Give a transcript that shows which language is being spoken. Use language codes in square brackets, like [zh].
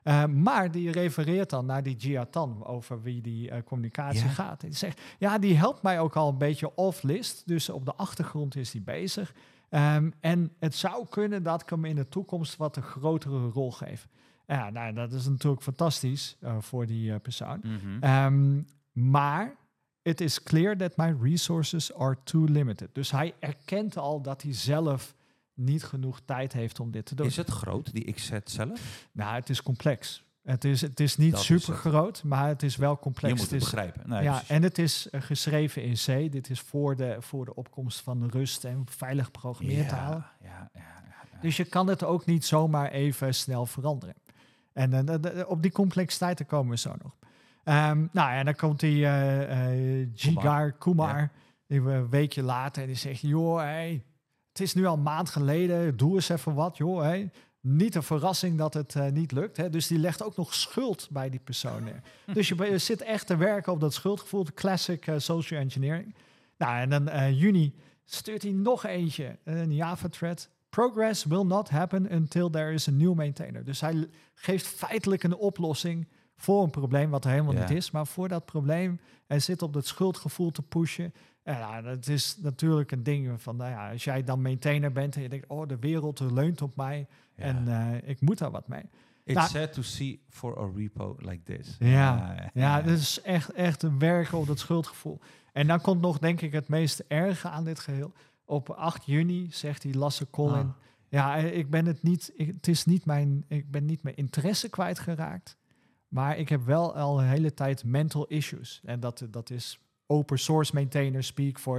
[nl] Maar die refereert dan naar die Jia Tan over wie die communicatie gaat. Die zegt, ja, die helpt mij ook al een beetje off-list. Dus op de achtergrond is die bezig. En het zou kunnen dat ik hem in de toekomst wat een grotere rol geef. Dat is natuurlijk fantastisch voor die persoon. Mm-hmm. [en] Maar it is clear that my resources are too limited. [nl] Dus hij erkent al dat hij zelf niet genoeg tijd heeft om dit te doen. Is het groot, die XZ zelf? Nou, het is complex. Het is niet super groot, maar het is wel complex. Je moet het begrijpen. Nee, ja, precies. En het is geschreven in C. Dit is voor de opkomst van Rust en veilig programmeertaal. Ja. Dus je kan het ook niet zomaar even snel veranderen. En op die complexiteiten komen we zo nog. Dan komt die Jigar Kumar een weekje later en die zegt, joh, het is nu al een maand geleden, doe eens even wat, joh. Hey. Niet een verrassing dat het niet lukt. Hè. Dus die legt ook nog schuld bij die persoon neer. Dus je zit echt te werken op dat schuldgevoel, de classic social engineering. Nou, en dan juni stuurt hij nog eentje, een Java-thread. [en] Progress will not happen until there is a new maintainer. [nl] Dus hij geeft feitelijk een oplossing voor een probleem wat er helemaal niet is. Maar voor dat probleem, hij zit op dat schuldgevoel te pushen. En dat is natuurlijk een ding van, als jij dan maintainer bent en je denkt, oh, de wereld leunt op mij en ik moet daar wat mee. [en] It's sad to see for a repo like this. [nl] Dat is echt een werken op dat schuldgevoel. En dan komt nog, denk ik, het meest erge aan dit geheel. Op 8 juni zegt die Lasse Collin, Ja, ik ben het niet. Ik ben niet mijn interesse kwijtgeraakt. Maar ik heb wel al een hele tijd mental issues. En dat is open source maintainer speak voor.